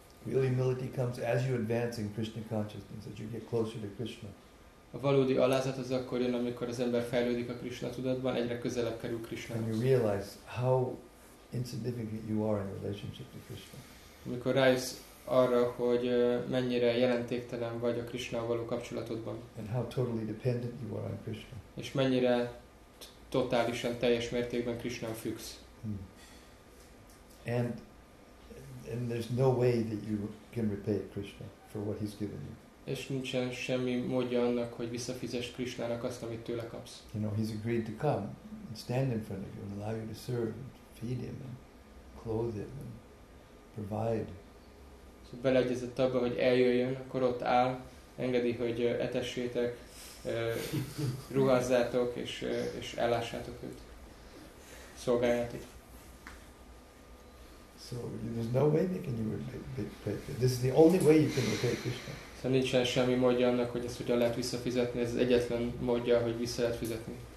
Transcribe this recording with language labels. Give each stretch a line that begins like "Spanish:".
English: Real humility comes as you advance in Krishna consciousness, as you get closer to Krishna.
Hungarian: A valódi alázat az akkor jön, amikor az ember fejlődik a Krishna tudatban, egyre közelebb kerül Krishnához.
English: And you realize how insignificant you are in relationship to Krishna.
Hungarian: Amikor rájössz arra, hogy mennyire jelentéktelen vagy a Krishna való kapcsolatodban.
English: And how totally dependent you are on Krishna.
Hungarian: És mennyire totálisan, teljes mértékben Krishna függsz.
English: And there's no way that you can repay Krishna for what he's given you.
Hungarian: És nincsen semmi módja annak, hogy visszafizess Krishnának azt, amit tőle kapsz.
English: You know, he's agreed to come and stand in front of you and allow you to serve and feed him and clothe him and provide.
Hungarian: Szóval beleegyezett abba, hogy eljöjjön, akkor ott áll, engedi, hogy etessétek, ruházzátok és ellássátok őt. Szolgáljátok.
English: So there's no way that you can repay. This is the only way you can repay Krishna.
Hungarian: Szóval nincsen semmi módja annak, hogy ezt hogyan lehet visszafizetni. Ez az egyetlen módja, hogy vissza lehet fizetni.